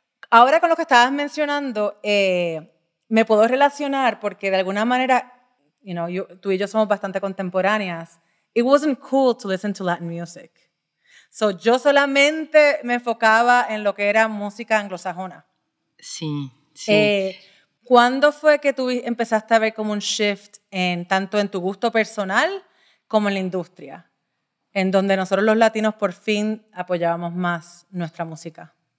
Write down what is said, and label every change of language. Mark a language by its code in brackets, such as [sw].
[es] Ahora con lo que estabas mencionando, me puedo relacionar porque de alguna manera, you know, tú y yo somos bastante contemporáneas. [en] It wasn't cool to listen to Latin music. [es] So, yo solamente me enfocaba en lo que era música anglosajona. Sí, sí. ¿Cuándo fue que tú empezaste a ver como un shift en tanto en tu gusto personal como en la industria? En donde nosotros los latinos por fin apoyábamos más nuestra música.